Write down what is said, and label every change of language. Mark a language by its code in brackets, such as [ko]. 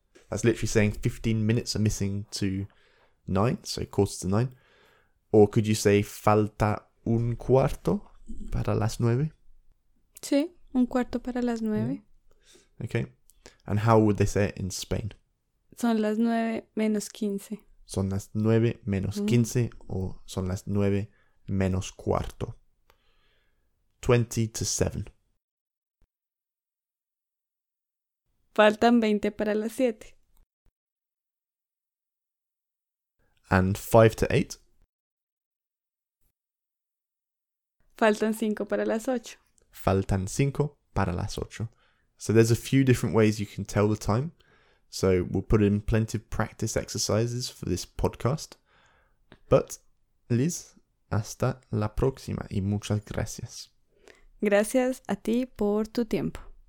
[en] That's literally saying 15 minutes are missing to 9, so 9:15. Or could you say falta 1/4 para las 9? [es] Sí, 1/4 para las 9. [en] Yeah. Okay. And how would they say it in Spain? [es] Son las 9 menos 15. Son las 9 menos 15, or son las 9 menos 1/4. [en] 7:20. [es] Faltan 20 para las 7. [en] And 5:08. [es] Faltan 5 para las 8. Faltan 5 para las 8. [en] So there's a few different ways you can tell the time. So we'll put in plenty of practice exercises for this podcast. [es] But, Liz, hasta la próxima y muchas gracias. Gracias a ti por tu tiempo.